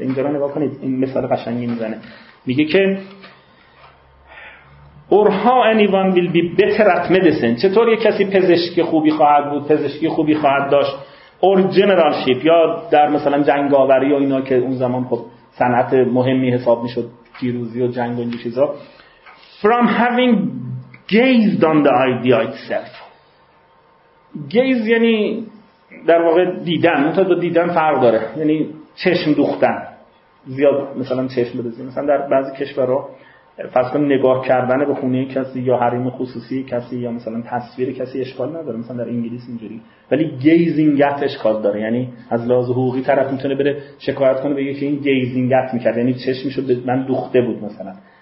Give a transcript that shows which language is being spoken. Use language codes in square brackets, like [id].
[fa] اینجا رو نگاه کنید، این مثال قشنگی میزنه، میگه که [en] Or how anyone will be better at medicine. [fa] چطور یک کسی پزشکی خوبی خواهد بود، پزشکی خوبی خواهد داشت. Or generalship، یا در مثلا جنگاوری یا اینا که اون زمان خب صنعت مهمی حساب میشد، پیروزی و جنگ و این چیزا. [en] From having gazed on the idea itself. [fa] Gaze یعنی در واقع دیدن، اون تا دو دیدن فرق داره، یعنی چشم دوختن، زیاد مثلا چشم بدوزی. مثلا در بعضی کشورها فرض کن نگاه کردن به خونه کسی یا حریم خصوصی کسی یا مثلا تصویر کسی اشکال نداره، مثلا در انگلیس اینجوری، ولی گیزینگت اشکال داره، یعنی از لحاظ حقوقی طرف میتونه بره شکایت کنه بگه که این گیزینگت میکرد، یعنی چشمشو به من دوخته بود مثلا.